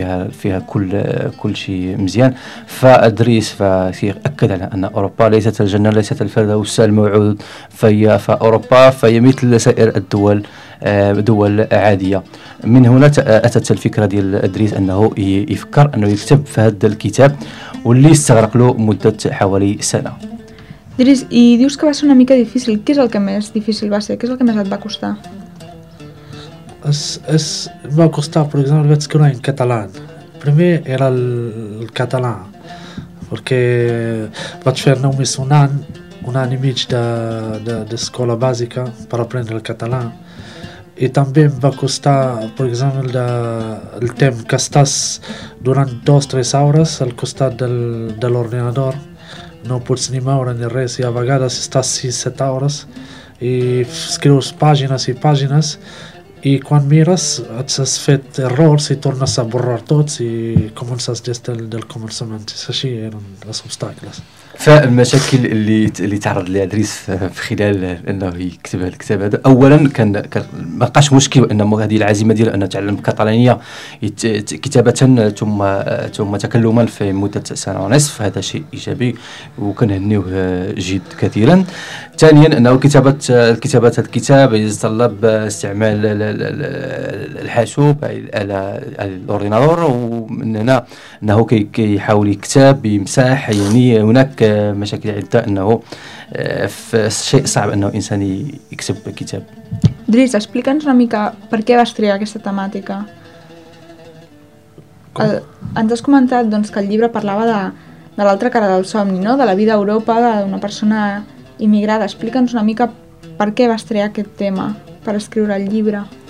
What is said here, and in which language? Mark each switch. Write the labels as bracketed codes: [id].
[ar] فيها كل شيء مزيان فأدريس فأكد على أن أوروبا ليست الجنة ليست الفردوس الموعود فأوروبا فهي مثل سائر الدول دول عادية من هنا أتت الفكرة ديال أدريس أنه يفكر أنه يكتب في هذا الكتاب واللي استغرق له مدة حوالي سنة [ca] Driss, i dius que va ser una mica difícil. Què és el que més difícil va ser? Què és el que més et va costar? Em va costar, per exemple, vaig escriure en català. Primer era el català, perquè vaig fer només un any i mig d'escola bàsica per aprendre el català. I també em va costar, per exemple, el temps que estàs durant 2-3 hores al costat de l'ordinador. No pots ni moure ni res i a vegades estàs 6-7 hores i escrius pàgines i pàgines i quan mires et has fet errors i tornes a borrar tots i comences des del començament. És així, eren les obstacles. [ar] فالمشاكل اللي تعرض لها ادريس في خلال انه يكتب الكتاب هذا اولا كان ما بقاش مشكل ان هذه العزيمه ديال انه تعلم كاتالانيه كتابه ثم تكلما في مده سنه ونصف هذا شيء ايجابي وكنهنيه جد كثيرا ثانيا انه كتابه هذا الكتاب يتطلب استعمال الحاسوب الاورديناتور ومن هنا انه كيحاول يكتب بمساح يعني هناك مشاكل عدة أنه شيء صعب أنه إنسان يكتب كتاب [ca] Driss, explica'ns una mica per què vas triar aquesta temàtica. Ens has comentat doncs, que el llibre parlava de l'altra cara del somni, no? De la vida a Europa d'una persona immigrada. Explica'ns una mica per què vas triar aquest tema per escriure el llibre.